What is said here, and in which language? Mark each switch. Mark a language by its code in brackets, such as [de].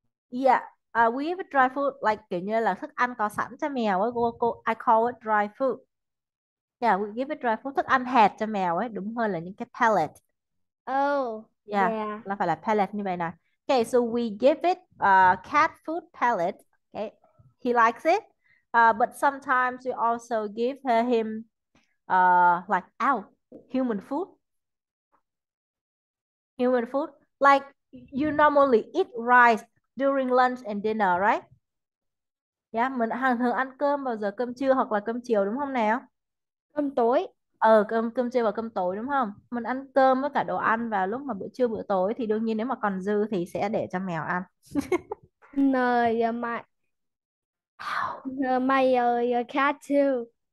[en] Yeah, we have a dry food, like [vi] kiểu như là thức ăn có sẵn cho mèo ấy, [en] I call it dry food. Yeah, we give it dry food, [vi] thức ăn hạt cho mèo ấy, đúng hơn là những cái pellet. [en] Yeah, [vi] nó phải là pellet như vậy nè. [en] Okay, so we give it cat food pellet. Okay, he likes it. But sometimes we also give him like human food. Human food, like you normally eat rice during lunch and dinner, right? Yeah, [vi] mình hàng thường ăn cơm vào giờ cơm trưa hoặc là cơm chiều, đúng không nào? Cơm tối. Cơm cơm trưa và cơm tối, đúng không? Mình ăn cơm với cả đồ ăn vào lúc mà bữa trưa bữa tối thì đương nhiên nếu mà còn dư thì sẽ để cho mèo ăn. Nơi mà May your cat too.